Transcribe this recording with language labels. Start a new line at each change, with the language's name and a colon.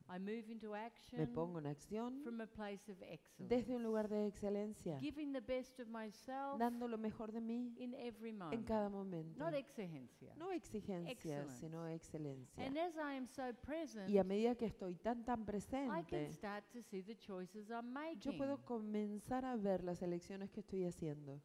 English: I move into action,
Spanish: me pongo en acción
English: from a place of excellence,
Spanish: desde un lugar de excelencia,
English: giving the best of myself,
Spanish: dando lo mejor de mí
English: in every moment,
Spanish: en cada momento,
English: not exigencia,
Spanish: no exigencia, sino excelencia.
English: And as I am so present,
Spanish: y a medida que estoy tan tan presente,
English: I can start to see the choices I'm making.
Spanish: Yo puedo comenzar a ver las elecciones que estoy haciendo.